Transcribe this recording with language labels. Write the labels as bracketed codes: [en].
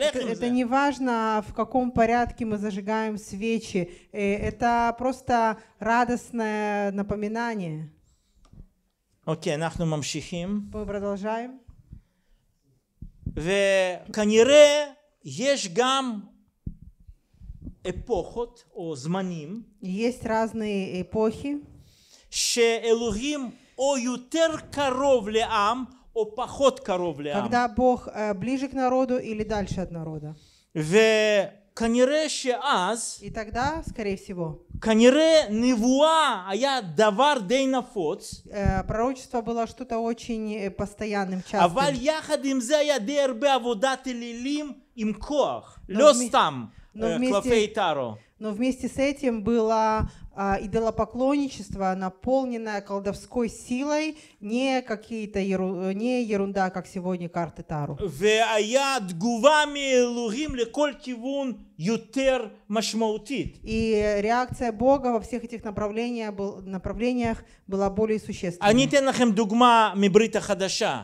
[ru] Это не важно, в каком порядке мы зажигаем свечи. Это просто радостное напоминание. [he] Окей, אנחנו ממשיכים. [ru] Мы продолжаем. [he] וכנראה יש גם эпохот, או זמנים. [ru] Есть разные эпохи. [he] שאלוהים או יותר קרוב לעם, או פחות קרוב לעם. [ru] Когда Бог ближе к народу или дальше от народа. [he] וכנראה שאז. [ru] И тогда, скорее всего. [he] כנראה נבואה היה דבר די נפוץ. Пророчество было что-то очень постоянным, частым. אבל יחד עם זה היה די הרבה עבודת אלילים עם כוח. לא סתם כלפי טארו. [ru] Но вместе с этим было идолопоклонничество, наполненное колдовской силой, не какие-то не ерунда, как сегодня карты Таро. И реакция Бога во всех этих направлениях была более существенной.